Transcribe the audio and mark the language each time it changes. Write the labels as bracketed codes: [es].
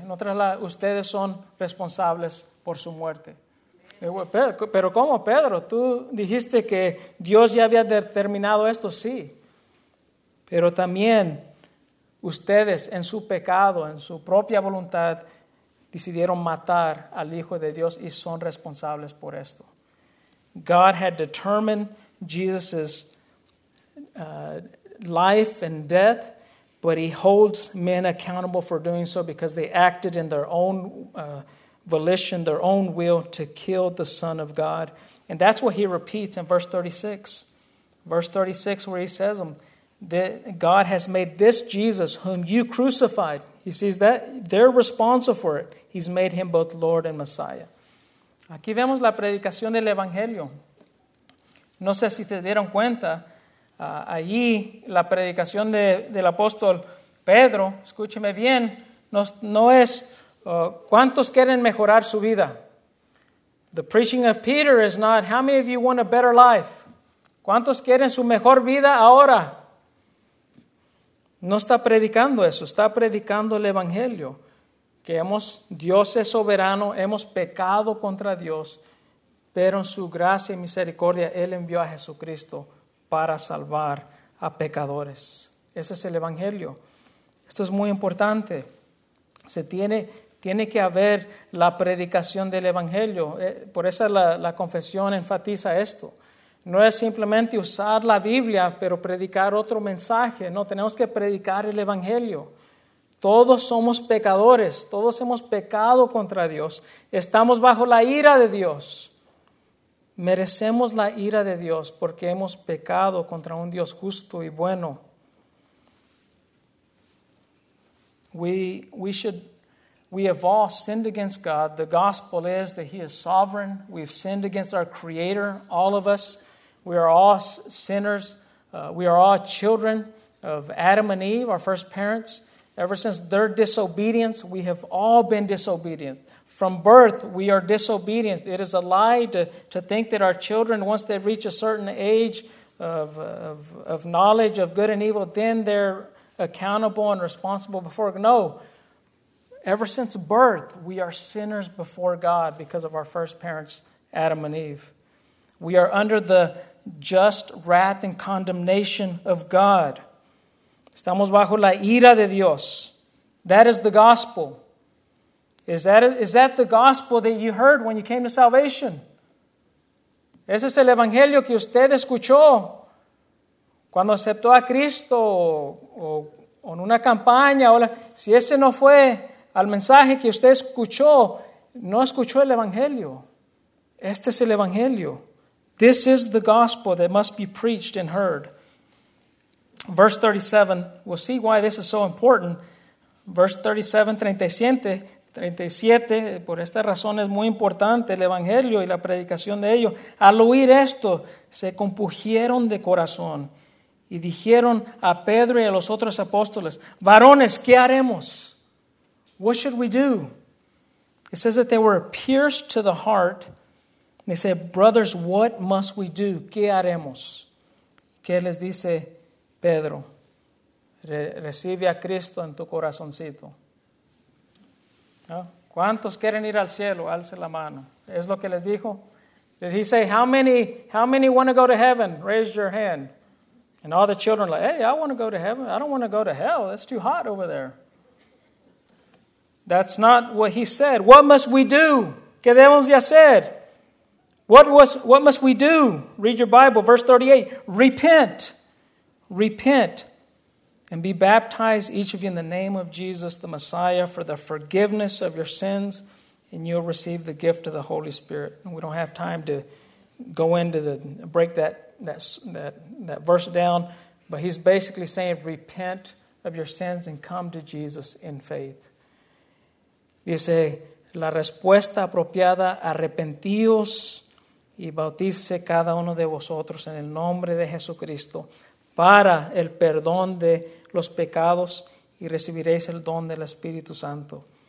[es] En otras palabras, ustedes son responsables por su muerte. Pero ¿cómo, Pedro? Tú dijiste que Dios ya había determinado esto, sí. Pero también ustedes en su pecado, en su propia voluntad, decidieron matar al Hijo de Dios y son responsables por esto. [en] God had determined Jesus' life and death, but he holds men accountable for doing so because they acted in their own volition, their own will to kill the Son of God. And that's what he repeats in verse 36. Verse 36, where he says, that God has made this Jesus whom you crucified. He sees that they're responsible for it. He's made him both Lord and Messiah. [es] Aquí vemos la predicación del Evangelio. No sé si te dieron cuenta. Allí la predicación del apóstol Pedro, escúcheme bien, no es cuántos quieren mejorar su vida. [en] The preaching of Peter is not how many of you want a better life. [es] ¿Cuántos quieren su mejor vida ahora? No está predicando eso, está predicando el Evangelio. Que Dios es soberano, hemos pecado contra Dios, pero en su gracia y misericordia, Él envió a Jesucristo para salvar a pecadores. Ese es el Evangelio. Esto es muy importante. Tiene que haber la predicación del Evangelio. Por eso la confesión enfatiza esto. No es simplemente usar la Biblia, pero predicar otro mensaje. No, tenemos que predicar el Evangelio. Todos somos pecadores, todos hemos pecado contra Dios, estamos bajo la ira de Dios. Merecemos la ira de Dios porque hemos pecado contra un Dios justo y bueno. [en] We have all sinned against God. The gospel is that He is sovereign. We've sinned against our Creator, all of us. We are all sinners. We are all children of Adam and Eve, our first parents. Ever since their disobedience, we have all been disobedient. From birth, we are disobedient. It is a lie to think that our children, once they reach a certain age of knowledge of good and evil, then they're accountable and responsible before God. No. Ever since birth, we are sinners before God because of our first parents, Adam and Eve. We are under the just wrath and condemnation of God. [es] Estamos bajo la ira de Dios. [en] That is the gospel. Is that the gospel that you heard when you came to salvation? [es] Ese es el evangelio que usted escuchó cuando aceptó a Cristo o en una campaña. O si ese no fue al mensaje que usted escuchó, no escuchó el evangelio. Este es el evangelio. [en] This is the gospel that must be preached and heard. Verse 37, we'll see why this is so important. Verse 37, [es] por esta razón es muy importante el evangelio y la predicación de ello. Al oír esto, se compungieron de corazón y dijeron a Pedro y a los otros apóstoles, varones, ¿qué haremos? [en] What should we do? It says that they were pierced to the heart. They said, brothers, what must we do? [es] ¿Qué haremos? ¿Qué les dice Pedro? Recibe a Cristo en tu corazoncito. ¿No? ¿Cuántos quieren ir al cielo? Alce la mano. ¿Es lo que les dijo? [en] Did he say, how many want to go to heaven? Raise your hand. And all the children are like, hey, I want to go to heaven. I don't want to go to hell. It's too hot over there. That's not what he said. What must we do? [es] ¿Qué debemos de hacer? [en] What must we do? Read your Bible, verse 38. Repent. Repent and be baptized, each of you, in the name of Jesus the Messiah for the forgiveness of your sins, and you'll receive the gift of the Holy Spirit. And we don't have time to go into the break that verse down, but he's basically saying repent of your sins and come to Jesus in faith. [es] Dice, la respuesta apropiada, arrepentíos y bautícese cada uno de vosotros en el nombre de Jesucristo para el perdón de los pecados y recibiréis el don del Espíritu Santo.